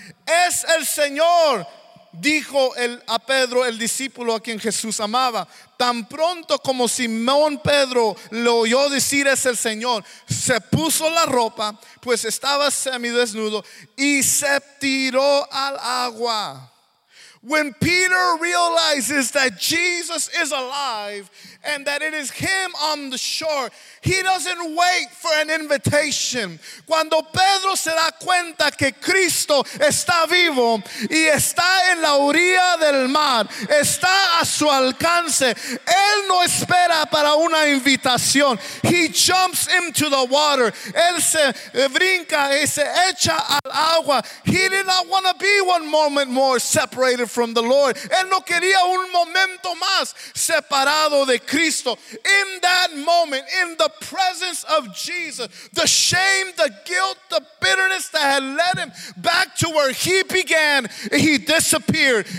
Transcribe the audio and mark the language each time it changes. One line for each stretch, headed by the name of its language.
Spanish: Es el Señor, dijo a Pedro, el discípulo a quien Jesús amaba. Tan pronto como Simón Pedro lo oyó decir, es el Señor, se puso la ropa, pues estaba semidesnudo, y se tiró al agua.
English: When Peter realizes that Jesus is alive and that it is him on the shore, he doesn't wait for an invitation.
Spanish: Cuando Pedro se da cuenta que Cristo está vivo y está en la orilla del mar, está a su alcance, él no espera para una invitación.
English: He jumps into the water.
Spanish: Él se brinca y se echa al agua.
English: He did not want to be one moment more separated from the Lord.
Spanish: Él no quería un momento más separado de Cristo.
English: In that moment, in the presence of Jesus, the shame, the guilt, the bitterness that had led him back to where he began, he disappeared.